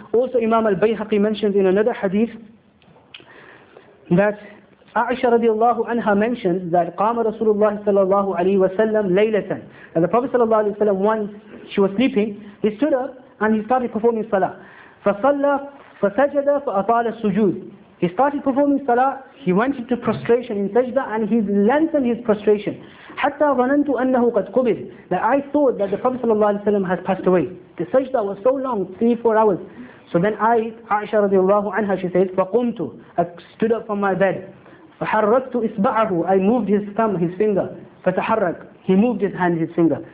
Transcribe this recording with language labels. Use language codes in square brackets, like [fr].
[en] Also, Imam al-Bayhaqi mentions in another hadith that Aisha radiallahu anha mentions that [ar] qama Rasulullah sallallahu alayhi wa sallam laylatan. [en] And the Prophet sallallahu alayhi wa sallam, once she was sleeping, he stood up and he started performing salah. [ar] Fasalla fasajada fa'atala sujood. [en] He started performing salah, he went into prostration in sajda and he lengthened his prostration. [ar] Hatta ظننتُ أنه قد قبض. [en] That I thought that the Prophet sallallahu alayhi wa sallam has passed away. The sajda was so long, 3-4 hours. So then Aisha radiallahu anha, she says, [ar] فقمتُ, [en] I stood up from my bed. [ar] فَحَرَّكْتُ إِصْبَعَهُ, [en] I moved his thumb, his finger. [ar] فَتَحَرَّكْ, [en] he moved his hand, his finger.